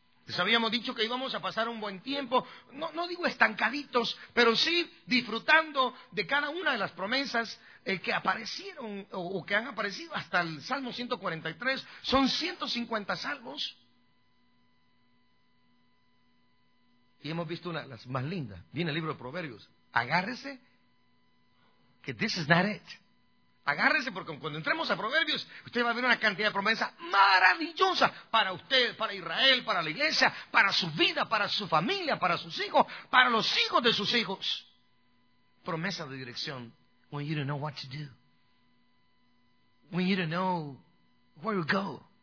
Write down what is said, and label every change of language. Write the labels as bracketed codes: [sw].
[es] Les habíamos dicho que íbamos a pasar un buen tiempo, no digo estancaditos, pero sí disfrutando de cada una de las promesas que aparecieron o que han aparecido hasta el Salmo 143. Son 150 salmos. Y hemos visto una de las más lindas. Viene el libro de Proverbios. Agárrese, que [en] this is not it. [es] Agárrese, porque cuando entremos a Proverbios, usted va a ver una cantidad de promesas maravillosas para usted, para Israel, para la iglesia, para su vida, para su familia, para sus hijos, para los hijos de sus hijos. Promesa de dirección. [en] When you don't know what to do. When you don't know where to go.